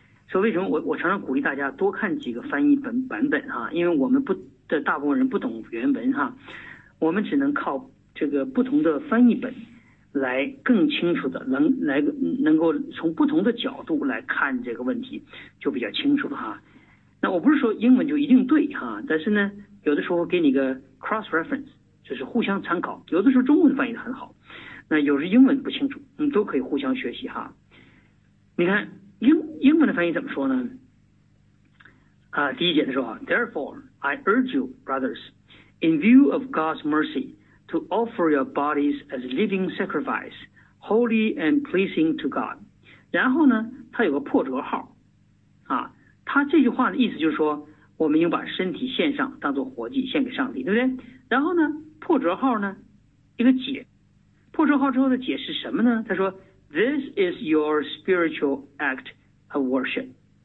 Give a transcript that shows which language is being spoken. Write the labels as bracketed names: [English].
[Chinese] 所以为什么我常常鼓励大家多看几个翻译版本哈，因为我们大部分人不懂原文哈，我们只能靠这个不同的翻译本来更清楚的能够从不同的角度来看这个问题，就比较清楚了哈。那我不是说英文就一定对哈，但是呢有的时候给你个 cross reference 就是互相参考，有的时候中文翻译的很好。那有时英文不清楚，你都可以互相学习哈。你看英文的翻译怎么说呢？第一节的时候啊 [English] ，Therefore I urge you, brothers, in view of God's mercy, to offer your bodies as living sacrifice, holy and pleasing to God。 [Chinese] 然后呢，它有个破折号，啊，它这句话的意思就是说，我们应把身体献上，当做活祭献给上帝，对不对？然后呢，破折号呢，一个解，破折号之后的解是什么呢？他说 [English] ，This is your spiritual act of worship。